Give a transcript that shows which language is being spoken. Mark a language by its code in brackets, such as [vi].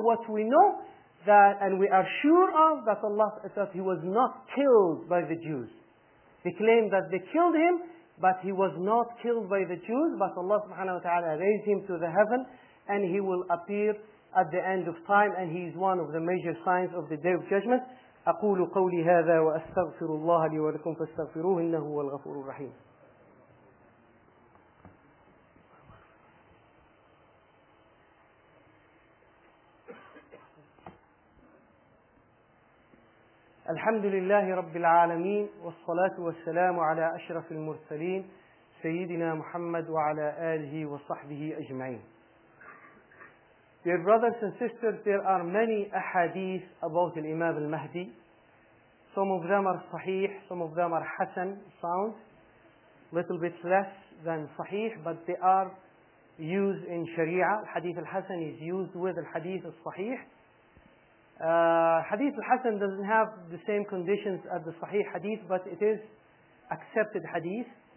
[en] What we know, that and we are sure of, that Allah that he was not killed by the Jews. They claim that they killed him, but he was not killed by the Jews, but Allah subhanahu wa ta'ala raised him to the heaven, and he will appear at the end of time, and he is one of the major signs of the Day of Judgment. [ar] أقول قولي هذا وأستغفر الله لي ولكم فاستغفروه إنه هو الغفور الرحيم. الحمد لله رب العالمين والصلاة والسلام على أشرف المرسلين سيدنا محمد وعلى آله وصحبه أجمعين. [en] Dear brothers and sisters, there are many ahadith about Imam al-Mahdi. Some of them are sahih, some of them are hasan, sound, little bit less than sahih, but they are used in sharia. Hadith al-hasan is used with al-hadith al-sahih. Hadith al-hasan doesn't have the same conditions as the sahih hadith, but it is accepted hadith.